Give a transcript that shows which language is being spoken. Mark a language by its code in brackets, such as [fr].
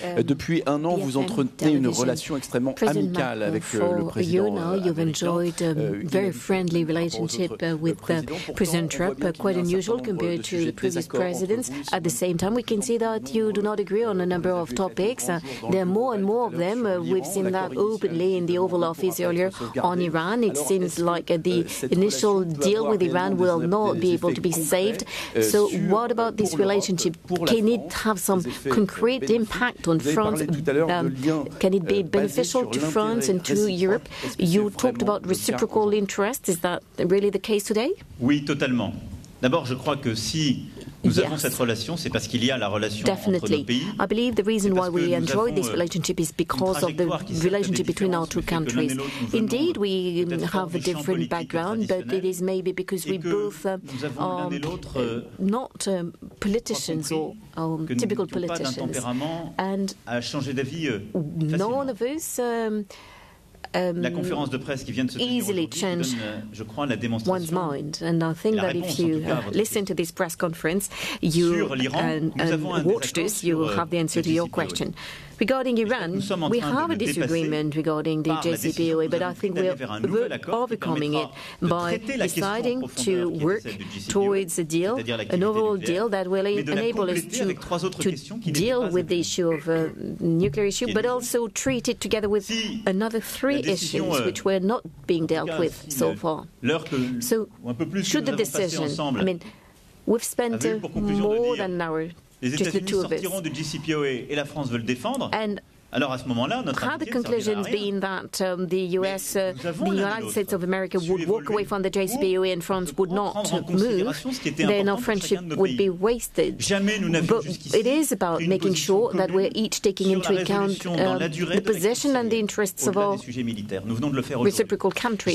[fr] Depuis un an, vous entretenez une relation extrêmement amicale avec le président américain. [en] You've enjoyed a very friendly relationship with President Trump, quite unusual compared to the previous presidents. At the same time, we can see that you do not agree on a number of topics. There are more and more of them. We've seen that openly in the Oval Office earlier on Iran. It seems like the initial deal with Iran will not be able to be saved. So what about this relationship? Can it have some concrete impact on France? Can it be beneficial to France and to Europe? You talked about reciprocal interest. Is that really the case today? [fr] Oui, totalement. D'abord, je crois que si nous avons cette relation, c'est parce qu'il y a la relation entre nos pays. [en] I believe the reason why we enjoy this relationship is because of the relationship between our two countries. Indeed, we have a different background, but it is maybe because we both are not politicians or typical politicians. And none of us [fr] la conférence de presse qui vient de se [en] easily change [fr] donne, je crois, la démonstration [en] one's mind. And I think that if you listen to this press conference, you watch this, you will have the answer to your question. Regarding Iran, we have a disagreement regarding the JCPOA, but I think we're overcoming it by deciding to work towards a deal, an overall deal that will enable us to deal with the issue of a nuclear issue, but also treat it together with another three issues which were not being dealt with so far. So should the decision, I mean, we've spent more than an hour. [fr] Les États-Unis sortiront du JCPOA et la France veut le défendre. [en] And [fr] alors à ce moment-là, notre [en] had the conclusion been that the US, the United States of America would walk away from the JCPOA and France would not move, then our friendship would be wasted. [fr] Jamais nous n'avons [en] but it is about making sure that we're each taking into account the position and the interests of our reciprocal countries.